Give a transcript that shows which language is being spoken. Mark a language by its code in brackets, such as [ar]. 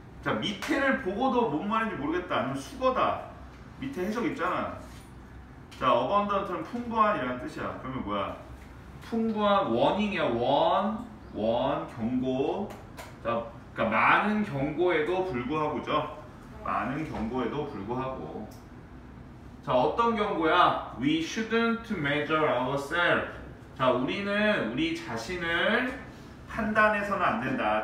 [ko] 자, 밑에를 보고도 뭔 말인지 모르겠다. 아니면 수거다. 밑에 해석 있잖아. 자, abundant는 풍부한이라는 뜻이야. 그러면 뭐야? 풍부한 warning이야. warn, 경고. 자, 그러니까 많은 경고에도 불구하고죠. 많은 경고에도 불구하고. 자, 어떤 경고야? [en] We shouldn't measure ourselves. [ko] 자, 우리는 우리 자신을 판단해서는 안 된다.